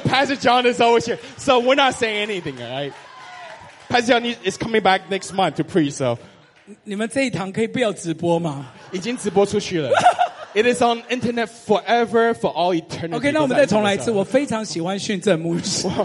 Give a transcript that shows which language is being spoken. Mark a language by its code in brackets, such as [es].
[en] Pastor John is always here, so we're not saying anything, right? Pastor John is coming back next month to preach, so. [zh] 你们这一堂可以不要直播吗？已经直播出去了。 [en] It is on internet forever for all eternity. [zh] Okay, 那我们再重来一次，我非常喜欢训正牧师。